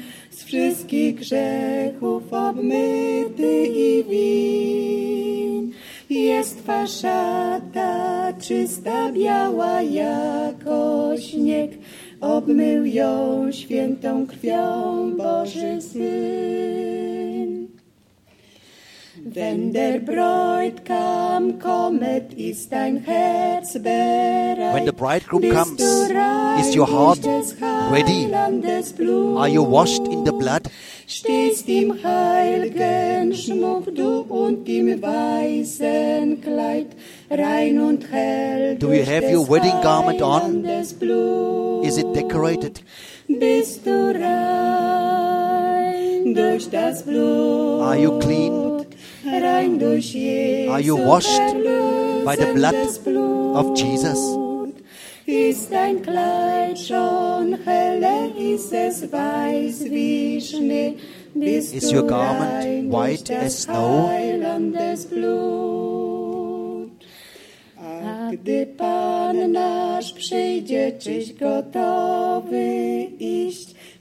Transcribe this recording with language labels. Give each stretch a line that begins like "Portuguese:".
Polish: Z wszystkich grzechów obmyty i win. Jest Twa szata czysta, biała jako śnieg. Obmył ją świętą krwią Boży Syn.
German: Wenn der Bräutigam kommt, ist dein Herz bereit.
English: When the bridegroom comes, is your heart ready? Are you washed in the blood?
German: Stehst im heiligen Schmuck, du und im weißen Kleid, rein und hell.
English: Do you have your wedding garment on? Is it decorated?
German: Bist du rein durch das Blut?
English: Are you clean?
German: Rein durch Jesus.
English: Are you washed by the blood of Jesus?
German: ist dein Kleid schon heller, ist es weiß wie Schnee. Bist
English: is your garment white
German: nicht
English: as snow?
German: Heilendes Blut. Ach, die Panne nasch, beschädigt dich Gott, habe ich.